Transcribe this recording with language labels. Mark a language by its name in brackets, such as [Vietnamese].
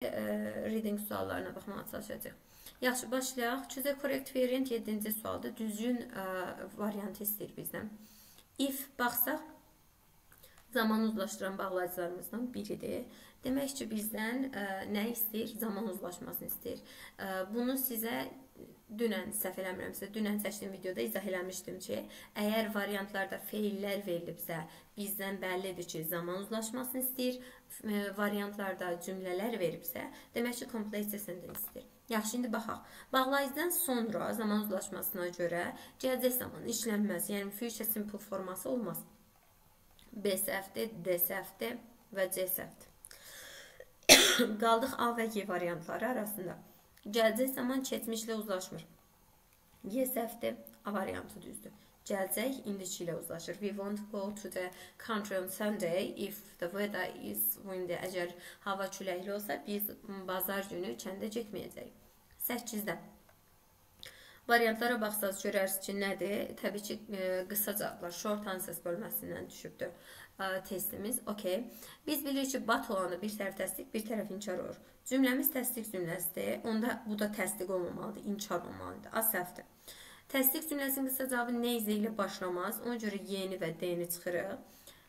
[Azerbaijani] reading suallarına baxmağa çalışacağıq. Yaxşı, başlayaq. [English] Choose a correct variant [Azerbaijani] 7-ci sualda düzgün variantı istəyir bizdən. If baxsaq, zaman uzlaşdıran bağlayıcılarımızdan biridir. Demək ki, bizdən nə istəyir? Zaman uzlaşmasını istəyir. Bunu sizə dünən, səhv eləmirəmsə, dünən çəkdiyim videoda izah eləmişdim ki, əgər variantlarda feillər verilibsə, bizdən bəllidir ki, zaman uzlaşmasını istəyir. Variantlarda cümlələr veribsə, demək ki, completesini istəyir. Yaxşı, indi baxaq. Bağlayıcıdan sonra zaman uzlaşmasına görə gələcək zaman işlənməz. Yəni, future simple forması olmaz. BSF-dir, DSF-dir və CSF-dir. Qaldıq A və G variantları arasında. Gələcək zaman keçmişlə uzlaşmır. YSF-dir, A variantı düzdür. Gələcək indiki ilə uzlaşır. [English] We won't go to the country on Sunday if the weather is windy. [Azerbaijani] Əgər hava küləkli olsa, biz bazar günü kəndə getməyəcəyik. 8-də. Variantlara baxsanız görərsiniz ki, nədir? Təbii ki, qısa cavablar, short answers bölməsindən düşübdür testimiz. Okay. Biz bilirik ki, but olanı bir tərəf təsdiq, bir tərəf inkar olur. Cümləmiz təsdiq cümləsidir. Onda bu da təsdiq olmamalıdır, inkar olmalıdır. Asəfdir. Təsdiq cümləsinin qısa cavabı neyizə ilə başlamaz. Ona görə yeni və deyini çıxırıq.